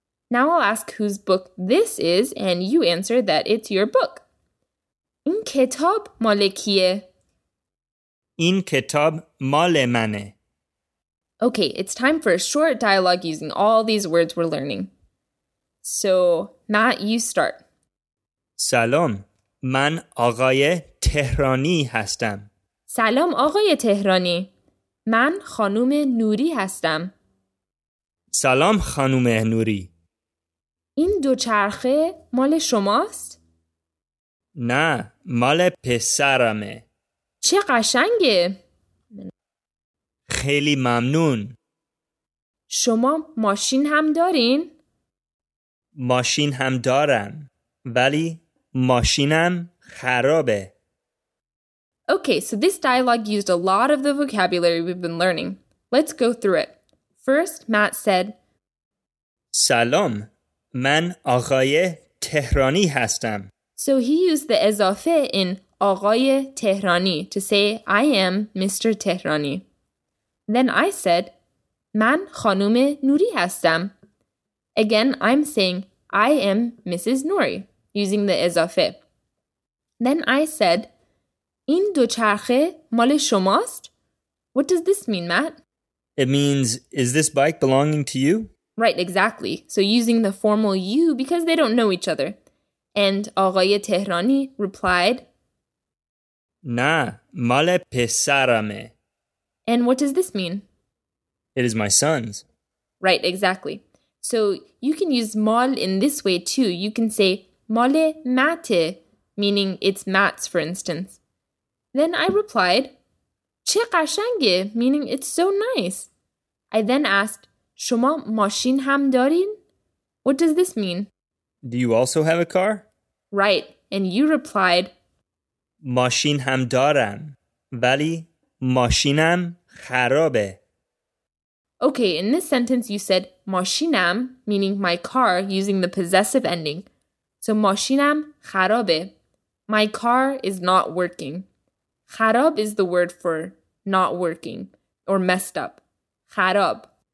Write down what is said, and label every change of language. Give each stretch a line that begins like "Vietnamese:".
English: Now I'll ask whose book this is, and you answer that it's your book.
Persian: این کتاب مال کیه؟ این کتاب مال منه.
English: Okay, it's time for a short dialogue using all these words we're learning. So, Matt, you start.
Persian: سلام، من آقای تهرانی هستم. سلام آقای تهرانی، من خانوم نوری هستم. سلام خانوم نوری. این دوچرخه مال شماست؟ نه، مال پسرمه. چه قشنگه. خیلی ممنون. شما ماشین هم دارین؟ ماشین هم دارم، ولی ماشینم خرابه.
English: Okay, so this dialogue used a lot of the vocabulary we've been learning. Let's go through it. First, Matt said,
Persian: سلام، من آقای تهرانی هستم.
English: So he used the ezafe in آقای Tehrani to say I am Mr. Tehrani. Then I said,
Persian: من خانوم نوری هستم.
English: Again, I'm saying I am Mrs. Nuri using the ezafe. Then I said,
Persian: این دوچرخه مال شماست؟
English: What does this mean, Matt? It means, is this bike belonging to you? Right, exactly. So using the formal you because they don't know each other. And آقای Tehrani replied,
Persian: نه، مال پسرمه.
English: And what does this mean? It is my son's. Right, exactly. So you can use مال in this way too. You can say
Persian: مال ماته,
English: meaning it's Matt's, for instance. Then I replied,
Persian: چه قشنگه,
English: meaning it's so nice. I then asked,
Persian: شما ماشین هم دارین?
English: What does this mean? Do you also have a car? Right, and you replied,
Persian: ماشین هم دارم, ولی ماشینم خرابه.
English: Okay, in this sentence you said ماشینم, meaning my car, using the possessive ending. So
Persian: ماشینم خرابه.
English: My car is not working. خراب is the word for not working or messed up.
Persian: خراب.